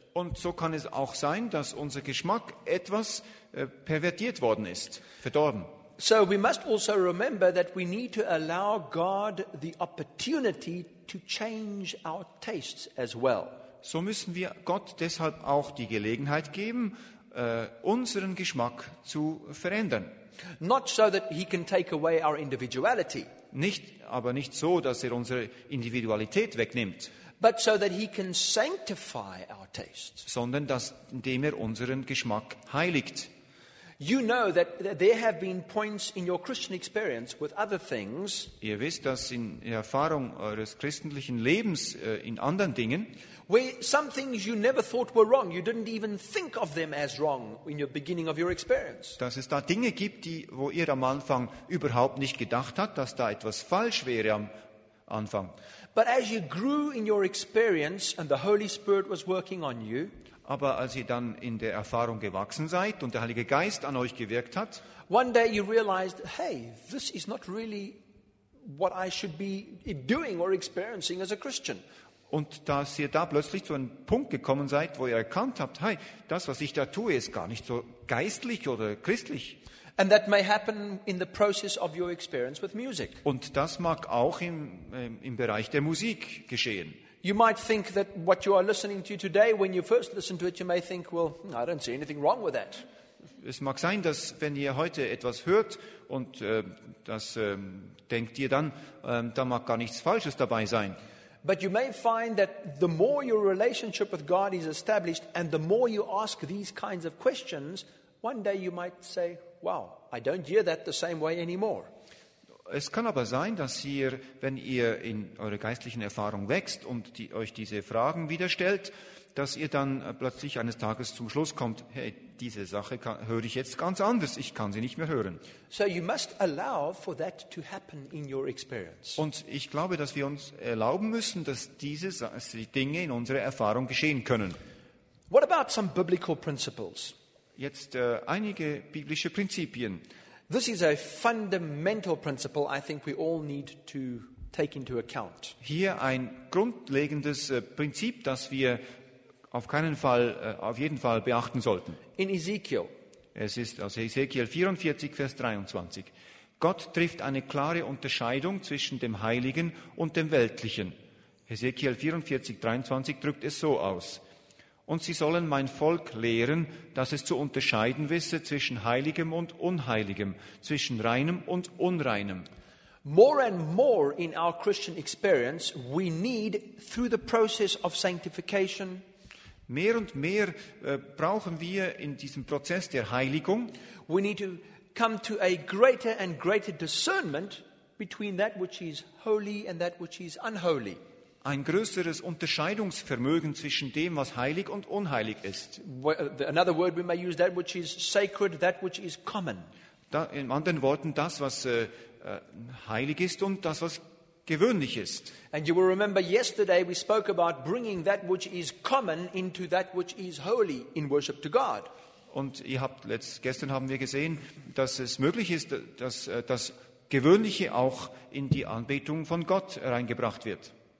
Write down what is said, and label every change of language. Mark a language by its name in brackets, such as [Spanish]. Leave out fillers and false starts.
[German] Und so kann es auch sein, dass unser Geschmack etwas pervertiert worden ist, verdorben. [English] So we must also remember that we need to allow God the opportunity to change our tastes as well. [German] So müssen wir Gott deshalb auch die Gelegenheit geben, unseren Geschmack zu verändern. [English] Not so that he can take away our individuality. [German] Nicht so, dass er unsere Individualität wegnimmt. [English] But so that he can sanctify our tastes. [German] Sondern dass, indem er unseren Geschmack heiligt. [English] You know that there have been points in your Christian experience with other things. [German] Ihr wisst, dass in Erfahrung eures christlichen Lebens in anderen Dingen, [English] where some things you never thought were wrong, you didn't even think of them as wrong in your beginning of your experience. [German] Dass es da Dinge gibt, die wo ihr am Anfang überhaupt nicht gedacht hat, dass da etwas falsch wäre am Anfang. [English] But as you grew in your experience and the Holy Spirit was working on you, [German] aber als ihr dann in der Erfahrung gewachsen seid und der Heilige Geist an euch gewirkt hat, [English] one day you realized, hey, this is not really what I should be doing or experiencing as a Christian. [German] Und dass ihr da plötzlich zu einem Punkt gekommen seid, wo ihr erkannt habt, hey, das, was ich da tue, ist gar nicht so geistlich oder christlich. [English] And that may happen in the process of your experience with music. [German] Und das mag auch im Bereich der Musik geschehen. [English] You might think that what you are listening to today, when you first listen to it, you may think, well, I don't see anything wrong with that. [German] Es mag sein, dass wenn ihr heute etwas hört und das denkt ihr dann, da mag gar nichts Falsches dabei sein. [English] But you may find that the more your relationship with God is established and the more you ask these kinds of questions, one day you might say, wow, I don't hear that the same way anymore. [German] Es kann aber sein, dass ihr, wenn ihr in eure geistlichen Erfahrung wächst und euch diese Fragen wieder stellt, dass ihr dann plötzlich eines Tages zum Schluss kommt, hey, diese Sache höre ich jetzt ganz anders, ich kann sie nicht mehr hören. [English] So you must allow for that to happen in your experience. [German] Und ich glaube, dass wir uns erlauben müssen, dass diese Dinge in unserer Erfahrung geschehen können. [English] What about some biblical principles? [German] Jetzt einige biblische Prinzipien. [English] This is a fundamental principle I think we all need to take into account. [German] Hier ein grundlegendes Prinzip, das wir auf jeden Fall beachten sollten. [English] In Ezekiel. [German] Es ist aus Ezekiel 44, Vers 23. Gott trifft eine klare Unterscheidung zwischen dem Heiligen und dem Weltlichen. Ezekiel 44, 23 drückt es so aus. Und sie sollen mein Volk lehren, dass es zu unterscheiden wisse zwischen Heiligem und Unheiligem, zwischen Reinem und Unreinem. [English] More and more in our Christian experience, we need through the process of sanctification. [German] Mehr und mehr brauchen wir in diesem Prozess der Heiligung. [English] We need to come to a greater and greater discernment between that which is holy and that which is unholy. [German] Ein größeres Unterscheidungsvermögen zwischen dem, was heilig und unheilig ist. [English] Another word we may use, that which is sacred, that which is common. [German] Da, in anderen Worten, das, was heilig ist und das, was gewöhnlich ist. [English] And you will remember yesterday we spoke about bringing that which is common into that which is holy in worship to God. [German] Und gestern haben wir gesehen, dass es möglich ist, dass das Gewöhnliche auch in die Anbetung von Gott reingebracht wird.